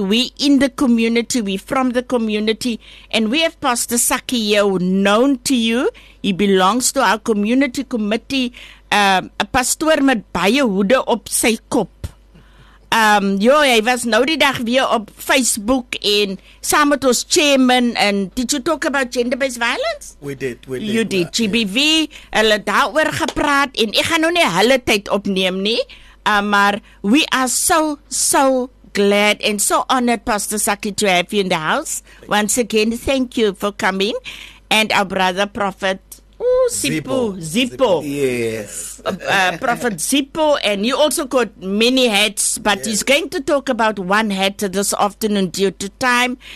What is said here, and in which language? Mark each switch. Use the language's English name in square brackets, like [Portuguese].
[English] We in the community, we from the community, and we have Pastor Saki here, known to you. He belongs to our community committee, [Afrikaans] a pastoor met baie hoede op sy kop. Hy was nou die dag weer op Facebook en saam met ons chairman. [English] And did you talk about gender-based violence? We did. You did. [Afrikaans] GBV, hulle daaroor gepraat. En ek gaan nou nie hulle tyd opneem nie. [English] Maar we are so, so glad and so honored, Pastor Saki, to have you in the house. Once again, thank you for coming. And our brother, Prophet. Zippo. Yes. Prophet Zippo, and you also got many hats, but yes. He's going to talk about one hat this afternoon due to time.